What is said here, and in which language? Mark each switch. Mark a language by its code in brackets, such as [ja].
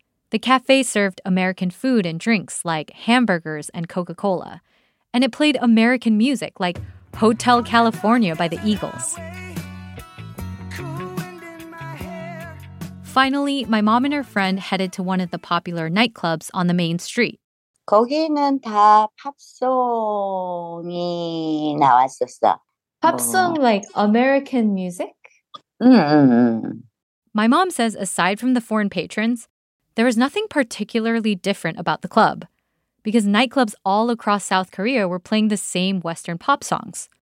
[en] The cafe served American food and drinks, like hamburgers and Coca-Cola. And it played American music, like Hotel California by the Eagles. Finally, my mom and her friend headed to one of the popular nightclubs on the main street. [ko] 거기는 다 팝송이 나왔었어. [en] Pop song, like American music? My mom says aside from the foreign patrons, there was nothing particularly different about the club, because nightclubs all across South Korea were playing the same Western pop songs.